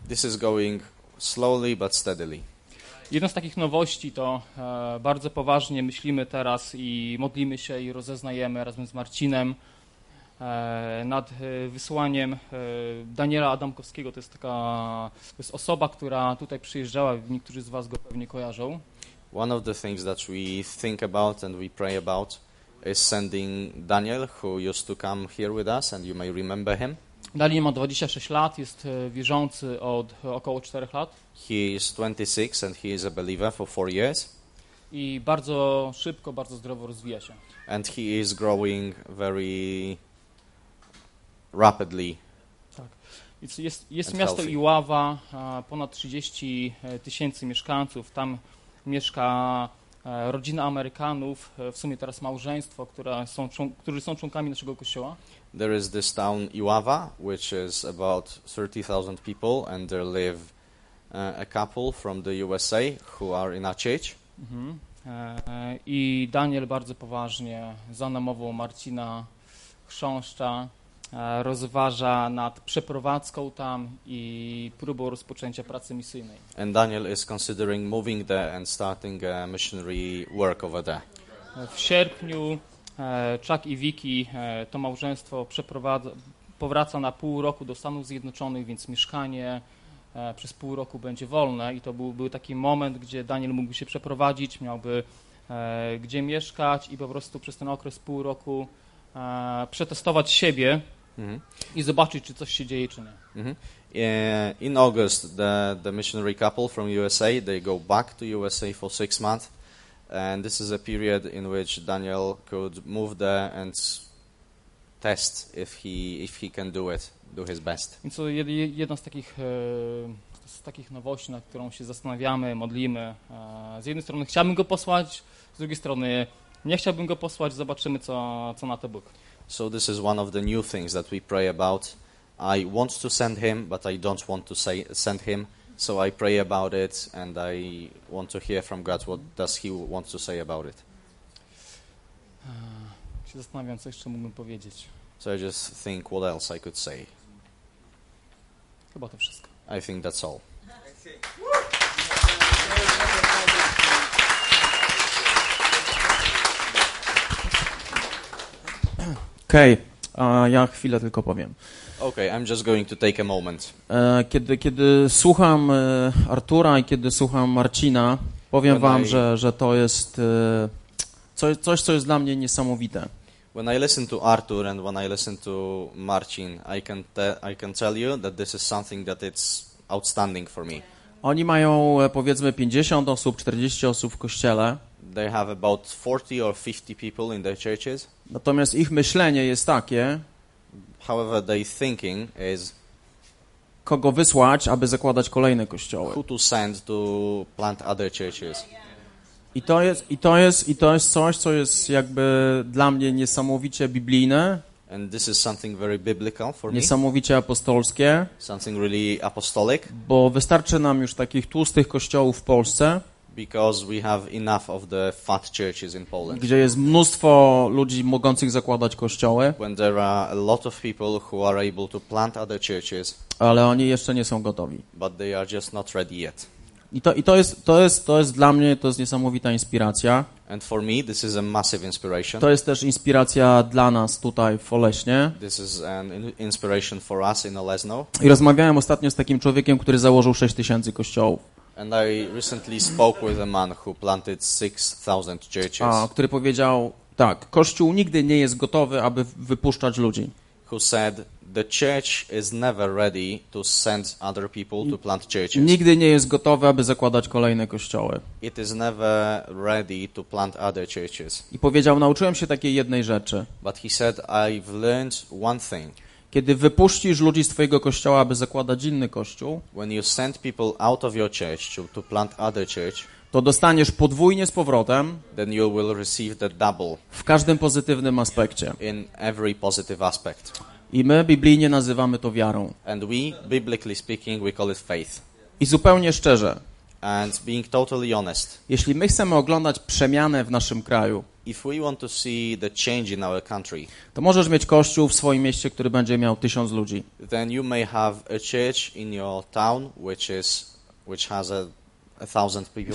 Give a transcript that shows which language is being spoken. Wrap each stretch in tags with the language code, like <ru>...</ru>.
<en>This is going slowly but steadily.</en> <pl>Jedna z takich nowości to bardzo poważnie myślimy teraz i modlimy się i rozeznajemy razem z Marcinem nad wysłaniem Daniela Adamkowskiego. To jest osoba, która tutaj przyjeżdżała, niektórzy z was go pewnie kojarzą.</pl> <en>One of the things that we think about and we pray about is sending Daniel, who used to come here with us, and you may remember him.</en> <pl>Daniel ma 26 lat, jest wierzący od około 4 lat.</pl> <en>He is 26 and he is a believer for 4 years.</en> <pl>I bardzo szybko, bardzo zdrowo rozwija się.</pl> <en>And he is growing very rapidly.</en> <pl>Tak. Jest miasto healthy. Iława, ponad 30 tysięcy mieszkańców. Tam mieszka rodzina Amerykanów, w sumie teraz małżeństwo, którzy są członkami naszego kościoła.</pl> <en>There is this town Iława, which is about 30,000 people, and there live a couple from the USA who are in our church. Mm-hmm.</en> <pl>I Daniel bardzo poważnie za namową Marcina Chrząszcza rozważa nad przeprowadzką tam i próbą rozpoczęcia pracy misyjnej.</pl> <en>And Daniel is considering moving there and starting a missionary work over there.</en> <pl>W sierpniu Chuck i Vicky, to małżeństwo powraca na pół roku do Stanów Zjednoczonych, więc mieszkanie przez pół roku będzie wolne i to był taki moment, gdzie Daniel mógłby się przeprowadzić, miałby gdzie mieszkać i po prostu przez ten okres pół roku przetestować siebie i zobaczyć, czy coś się dzieje, czy nie. Mm-hmm.</pl> <en>In August, the missionary couple from USA, they go back to USA for 6 months, and this is a period in which Daniel could move there and test if he can do it. Do his best.</en> <pl>I co jedna z takich nowości, na którą się zastanawiamy, modlimy. Z jednej strony chciałbym go posłać, z drugiej strony nie chciałbym go posłać. Zobaczymy, co na to Bóg.</pl> <en>So this is one of the new things that we pray about. I want to send him, but I don't want to send him. So I pray about it and I want to hear from God what does he want to say about it.</en> <pl>Się zastanawiam, co jeszcze mógłbym powiedzieć.</pl> <en>So I just think what else I could say.</en> <pl>Chyba to wszystko.</pl> <en>I think that's all.</en> <pl>Okay, ja chwilę tylko powiem.</pl> <en>Okay, I'm just going to take a moment.</en> <pl>Kiedy słucham Artura i kiedy słucham Marcina, powiem wam, że to jest coś, co jest dla mnie niesamowite.</pl> <en>When I listen to Artur and when I listen to Marcin, I can tell you that this is something that it's outstanding for me.</en> <pl>Oni mają powiedzmy 50 osób, 40 osób w kościele.</pl> <en>They have about 40 or 50 people in their churches.</en> <pl>Natomiast ich myślenie jest takie.</pl> <en>However, their thinking is.</en> <pl>Kogo wysłać, aby zakładać kolejne kościoły?</pl> <en>Who to send to plant other churches?</en> <pl>I to jest coś, co jest jakby dla mnie niesamowicie biblijne.</pl> <en>And this is something very biblical for me.</en> <pl>Niesamowicie apostolskie.</pl> <en>Something really apostolic.</en> <pl>Bo wystarczy nam już takich tłustych kościołów w Polsce.</pl> <en>Because we have enough of the fat churches in Poland.</en> <pl>Gdzie jest mnóstwo ludzi mogących zakładać kościoły.</pl> <en>When there are a lot of people who are able to plant other churches.</en> <pl>Ale oni jeszcze nie są gotowi.</pl> <en>But they are just not ready yet.</en> <pl>I to jest dla mnie, to jest niesamowita inspiracja.</pl> <en>And for me, this is a massive inspiration.</en> <pl>To jest też inspiracja dla nas tutaj w Olesznie.</pl> <en>This is an inspiration for us in Olesno.</en> <pl>I rozmawiałem ostatnio z takim człowiekiem, który założył 6000 kościołów.</pl> <en>And I recently spoke with a man who planted 6000 churches.</en> <pl>A, który powiedział, tak, kościół nigdy nie jest gotowy, aby wypuszczać ludzi.</pl> <en>Who said the church is never ready to send other people to plant churches.</en> <pl>Nigdy nie jest gotowe, aby zakładać kolejne kościoły.</pl> <en>It is never ready to plant other churches.</en> <pl>I powiedział, nauczyłem się takiej jednej rzeczy.</pl> <en>But he said, I've learned one thing.</en> <pl>Kiedy wypuścisz ludzi z twojego kościoła, aby zakładać inny kościół,</pl> <en>when you send people out of your church to plant other church,</en> <pl>to dostaniesz podwójnie z powrotem,</pl> <en>then you will receive the double</en> <pl>w każdym pozytywnym aspekcie.</pl> <en>In every positive aspect.</en> <pl>I my biblijnie nazywamy to wiarą.</pl> <en>And we, biblically speaking, we call it faith.</en> <pl>I zupełnie szczerze.</pl> <en>And being totally honest.</en> <pl>Jeśli my chcemy oglądać przemianę w naszym kraju,</pl> <en>if we want to see the change in our country,</en> <pl>to możesz mieć kościół w swoim mieście, który będzie miał 1000 ludzi.</pl> <en>Then you may have a church in your town, which has a thousand people.</en>